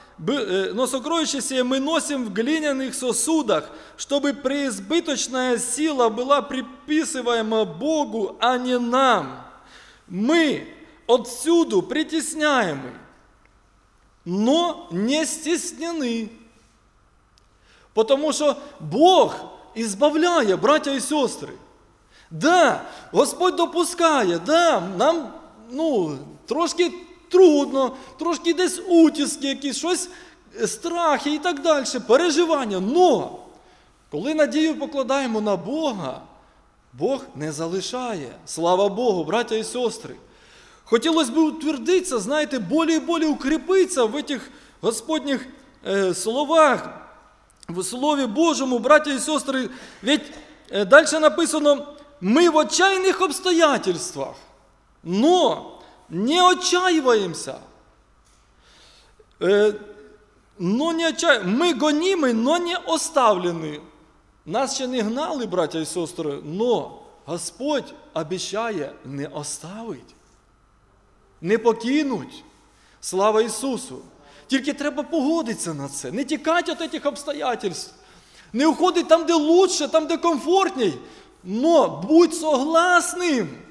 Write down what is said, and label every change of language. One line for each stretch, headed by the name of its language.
Russian: Но сокровище сие мы носим в глиняных сосудах, чтобы преизбыточная сила была приписываема Богу, а не нам. Мы отсюда притесняемы, но не стеснены. Потому что Бог избавляет, братья и сестры.
Ukrainian: Да, Господь допускает, да, нам, ну, трошки трудно, трошки десь утиски якісь, щось, страхи і так далі, переживання. Но, коли надію покладаємо на Бога, Бог не залишає. Слава Богу, браття і сестри. Хотілося б утвердитися, знаєте, болі і болі укріпитися в цих Господніх словах, в Слові Божому, браття і сестри. Ведь далі написано, ми в отчайних обстоятельствах,
Russian: но не отчаиваемся. Но не отчаиваемся. Мы гонимы, но не оставлены.
Ukrainian: Нас ще не гнали,
Russian: братья и сестры, но
Ukrainian: Господь обіцяє не оставить, не покинуть. Слава Ісусу! Тільки треба погодитися на це, не тікати від цих обстоятельств, не уходити там, де лучше, там, де комфортніше, но будь согласним,